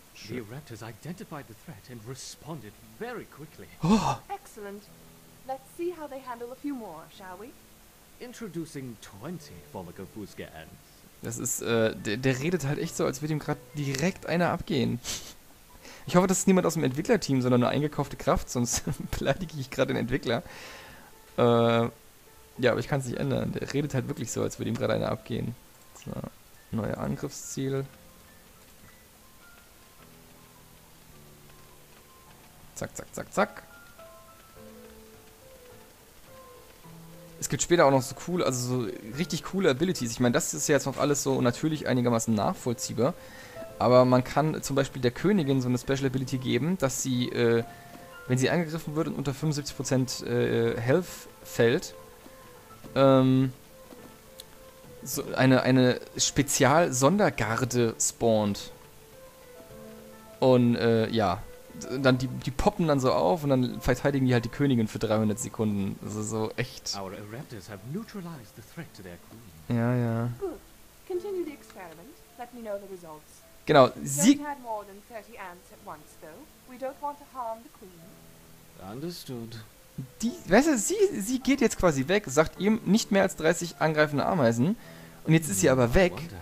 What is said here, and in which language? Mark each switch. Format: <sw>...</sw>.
<en>The Erectors identified the threat and responded very quickly. Oh. Excellent. Let's see how they handle a few more, shall we? Introducing 20 Formica Fusca Ants.</en> <de>Das ist, der redet halt echt so, als würde ihm gerade direkt einer abgehen. Ich hoffe, das ist niemand aus dem Entwicklerteam, sondern nur eingekaufte Kraft, sonst beleidige ich gerade den Entwickler. Ja, aber ich kann es nicht ändern. Der redet halt wirklich so, als würde ihm gerade einer abgehen. So, neuer Angriffsziel. Zack, zack, zack, zack. Es gibt später auch noch so cool, also so richtig coole Abilities. Ich meine, das ist ja jetzt noch alles so natürlich einigermaßen nachvollziehbar. Aber man kann zum Beispiel der Königin so eine Special Ability geben, dass sie, wenn sie angegriffen wird und unter 75% Health fällt, so eine Spezial-Sondergarde spawnt. Und ja, dann die poppen dann so auf und dann verteidigen die halt die Königin für 300 Sekunden. Das ist so echt.</de> <en>Our Raptors have neutralized the threat to their queen.</en> <de>Ja, ja.</de> <en>Good. Continue the experiment. Let me know the results.</en> <de>Genau, sie...</de> <en>Don't add more than 30 ants at once, though. We don't want to harm the queen. Understood.</en> <de>Die, weißt du, sie geht jetzt quasi weg, sagt ihm nicht mehr als 30 angreifende Ameisen. Und jetzt ist sie aber weg.</de>